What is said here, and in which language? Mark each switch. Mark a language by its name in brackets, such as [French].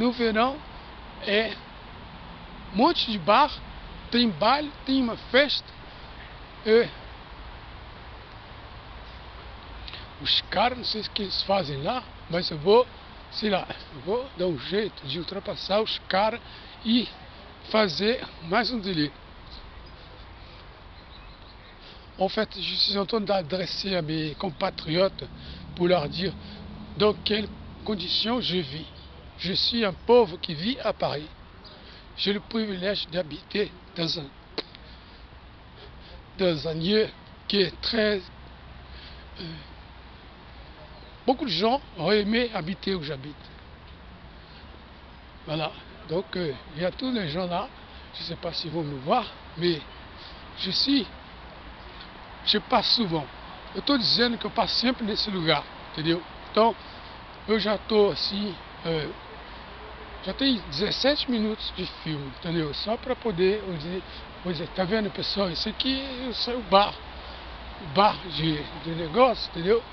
[Portuguese] No verão é um monte de bar, tem baile, tem uma festa. E os caras, não sei o que eles fazem lá, mas eu vou, sei lá, eu vou dar um jeito de ultrapassar os caras e fazer mais um delírio. [French] En fait, je suis en train d'adresser à mes compatriotes pour leur dire dans quelles conditions je vis. Je suis un pauvre qui vit à Paris. J'ai le privilège d'habiter dans un lieu qui est très... beaucoup de gens auraient aimé habiter où j'habite. Voilà. Donc, il y a tous les gens là. Je ne sais pas s'ils vont me voir, mais je passe souvent. Je te dis que je passe simple dans ce lieu. [Portuguese] Entendeu? [French] Donc, je suis aussi... [Portuguese] Já tem 17 minutos de filme, entendeu? Só para poder dizer, tá vendo, pessoal? Isso aqui é o bar. O bar de negócio, entendeu?